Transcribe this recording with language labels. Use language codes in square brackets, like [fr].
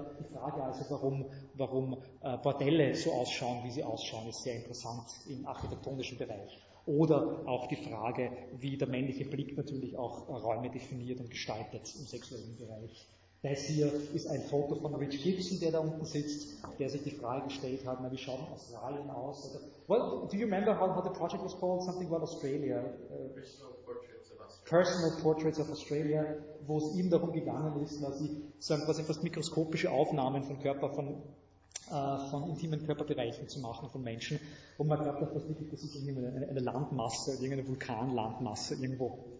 [de] Die Frage also, warum Bordelle so ausschauen, wie sie ausschauen, ist sehr interessant im architektonischen Bereich. Oder auch die Frage, wie der männliche Blick natürlich auch Räume definiert und gestaltet im sexuellen Bereich. Das hier ist ein Foto von Rich Gibson, der da unten sitzt, der sich die Frage gestellt hat, na, wie schaut denn Australien aus? [en] Oder, well, do you remember how the project was called? Something about Australia. [de] Personal Portraits of Australia, wo es ihm darum gegangen ist, dass sie quasi fast mikroskopische Aufnahmen von Körper, von intimen Körperbereichen zu machen, von Menschen. Und man glaubt auch fast wirklich, das ist eine Landmasse, irgendeine Vulkanlandmasse irgendwo.